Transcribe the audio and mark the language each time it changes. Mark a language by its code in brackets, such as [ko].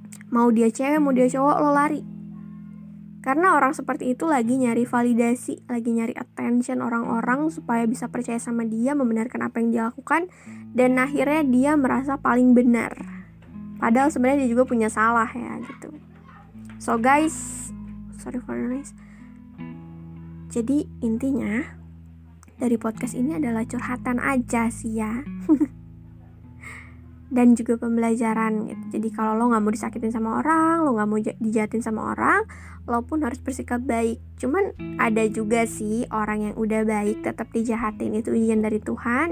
[id] Mau dia cewek, mau dia cowok, lo lari. Karena orang seperti itu lagi nyari validasi, lagi nyari attention orang-orang supaya bisa percaya sama dia, membenarkan apa yang dia lakukan, dan akhirnya dia merasa paling benar. Padahal sebenarnya dia juga punya salah ya gitu. [en] So guys, sorry for the noise. [id] Jadi intinya dari podcast ini adalah curhatan aja sih ya. Dan juga pembelajaran gitu. Jadi kalau lo gak mau disakitin sama orang, lo gak mau dijahatin sama orang, lo pun harus bersikap baik. Cuman ada juga sih orang yang udah baik tetap dijahatin, itu ujian dari Tuhan.